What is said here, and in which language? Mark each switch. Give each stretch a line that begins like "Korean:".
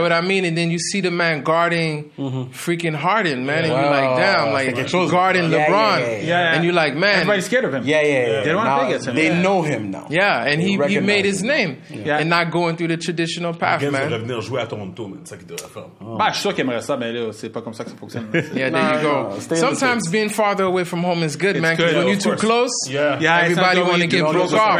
English: what I mean? And then you see the man guarding freaking Harden, man. Yeah. And you're like, damn, like guarding LeBron. And you're like, man. Everybody's scared of him. They don't want to play him. They know him now. Yeah, and he made his name. And not going through the traditional path, man.
French: Il devrait venir jouer à Toronto, man. C'est ça qu'il devrait faire. Bah, je suis sûr qu'il aimerait ça, mais là, c'est pas comme ça que ça fonctionne.
English: Yeah, there you go. Sometimes being farther away from home is good, man. Because when you're too close, everybody want to get broke off.